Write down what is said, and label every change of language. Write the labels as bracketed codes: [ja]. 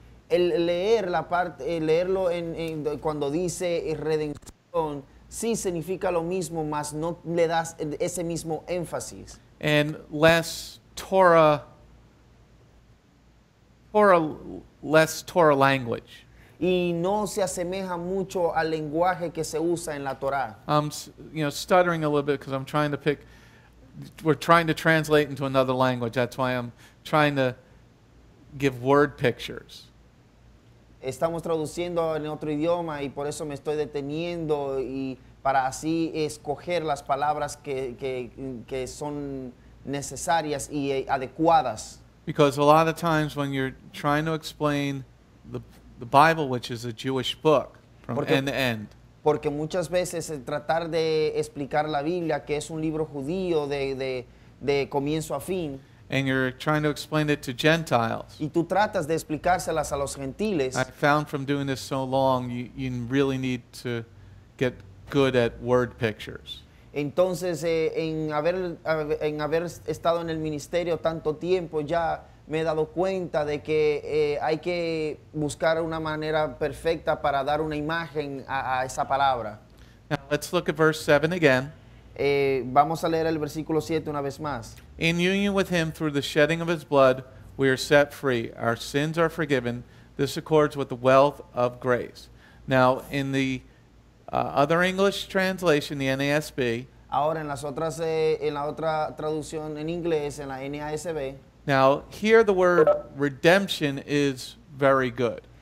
[es] El leer la parte, leerlo en cuando dice redención, sí significa lo mismo, mas no le das ese mismo énfasis. [en] And less Torah language. [es] Y no se asemeja mucho al lenguaje que se usa en la Torah. [en] I'm stuttering a little bit because I'm trying to pick. We're trying to translate into another language. That's why I'm trying to give word pictures. [es] Estamos traduciendo en otro idioma y por eso me estoy deteniendo y para así escoger las palabras que son necesarias y adecuadas. [en] Because a lot of times when you're trying to explain the Bible, which is a Jewish book, from end to end. [es] Porque muchas veces tratar de explicar la Biblia, que es un libro judío de comienzo a fin, [en] and you're trying to explain it to Gentiles. [es] Y tú tratas de explicárselas a los gentiles. [en] I found from doing this so long, you really need to get good at word pictures. [es] Entonces, en haber estado en el ministerio tanto tiempo, ya me he dado cuenta de que hay que buscar una manera perfecta para dar una imagen a esa palabra. [en] Now, let's look at verse 7 again. [es] Vamos a leer el versículo 7 una vez más. [en] In union with him through the shedding of his blood, we are set free. Our sins are forgiven. This accords with the wealth of grace. Now, in the other English translation, the NASB, [es] ahora en las otras, en la otra traducción en inglés, en la NASB, [en] now, here the word redemption is very good.